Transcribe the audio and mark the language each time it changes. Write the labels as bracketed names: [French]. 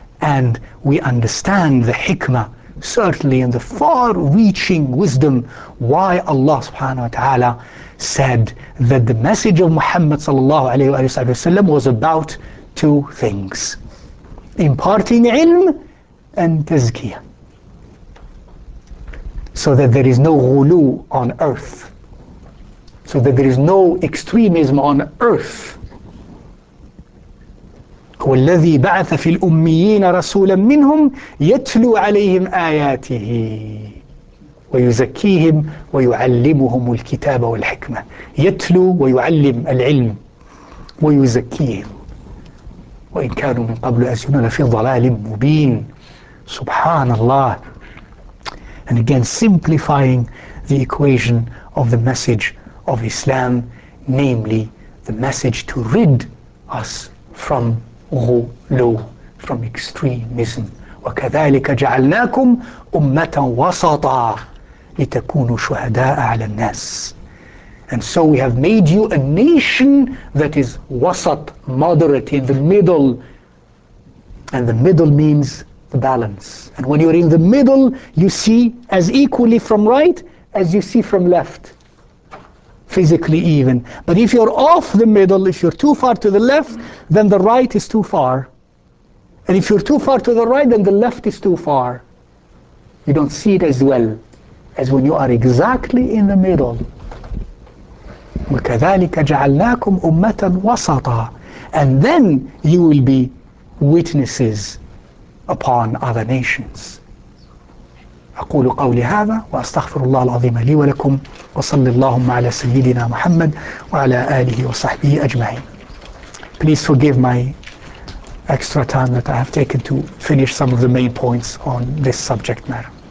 [English] And we understand the hikmah, certainly, and the far-reaching wisdom why Allah subhanahu wa ta'ala said that the message of Muhammad sallallahu alayhi wa sallam was about two things: imparting ilm and tazkiyah, so that there is no ghulu on earth, so that there is no extremism on earth. [Arabic] والذي بعث في الأميين رسولا منهم يتلو عليهم آياته ويزكيهم ويعلمهم الكتاب والحكمة. يتلو ويعلم العلم ويزكيهم وإن كانوا من قبل أسنون لفي ضلال مبين. سبحان الله. [English] And again, simplifying the equation of the message of Islam, namely the message to rid us from غلو, from extremism. [Arabic] وكذلك جعلناكم أمة وسطا لتكونوا شهداء على الناس. [English] And so we have made you a nation that is wasat, moderate, in the middle. And the middle means the balance. And when you're in the middle, you see as equally from right as you see from left, physically even. But if you're off the middle, if you're too far to the left, then the right is too far. And if you're too far to the right, then the left is too far. You don't see it as well as when you are exactly in the middle. [Arabic] وَكَذَلِكَ جَعَلْنَاكُمْ أُمَّةً وَسَطًا. [English] And then you will be witnesses upon other nations. [Arabic] أقول قولي هذا وأستغفر الله العظيم لي ولكم وصلى اللهم على سيدنا محمد وعلى آله وصحبه أجمعين. [English] Please forgive my extra time that I have taken to finish some of the main points on this subject matter.